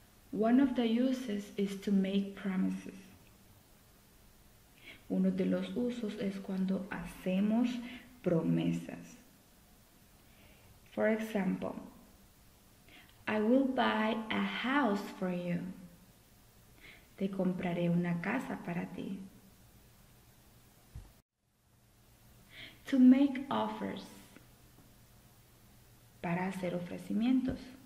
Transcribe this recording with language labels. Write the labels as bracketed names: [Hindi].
[English] One of the uses is to make promises. [Spanish] Uno de los usos es cuando hacemos promesas. [English] For example, I will buy a house for you. [Spanish] Te compraré una casa para ti. [English] To make offers, [Spanish] para hacer ofrecimientos.